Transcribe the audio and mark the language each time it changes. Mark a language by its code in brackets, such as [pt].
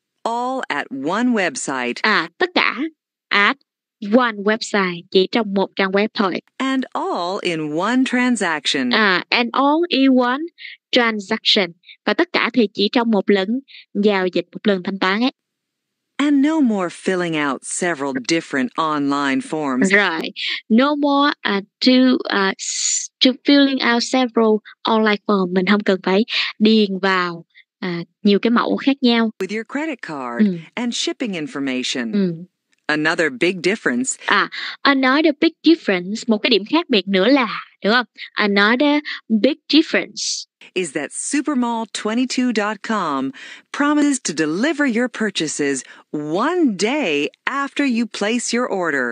[en] All at one website. [vi] À, tất cả [en] at one website, [vi] chỉ trong một trang web thôi. [en] And all in one transaction. À, and all in one transaction. [vi] Và tất cả thì chỉ trong một lần giao dịch, một lần thanh toán ấy. [en] And no more filling out several different online forms. Right. No more to filling out several online forms. [vi] Mình không cần phải điền vào nhiều cái mẫu khác nhau. [en] With your credit card and shipping information. Another big difference. À, another big difference. [vi] Một cái điểm khác biệt nữa là, đúng không? [en] Another big difference. Is that supermall22.com promises to deliver your purchases one day after you place your order.